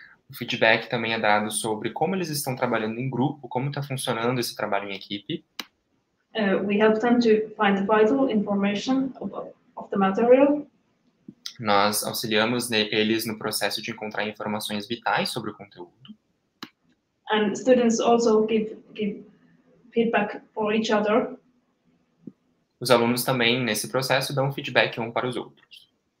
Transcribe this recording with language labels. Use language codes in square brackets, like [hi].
[pt] O feedback também é dado sobre como eles estão trabalhando em grupo, como está funcionando esse trabalho em equipe. [en] We help them to find the vital information of the material. [pt] Nós auxiliamos eles no processo de encontrar informações vitais sobre o conteúdo. [en] And students also give feedback for each other. [pt] Os alunos também, nesse processo, dão feedback um para os outros.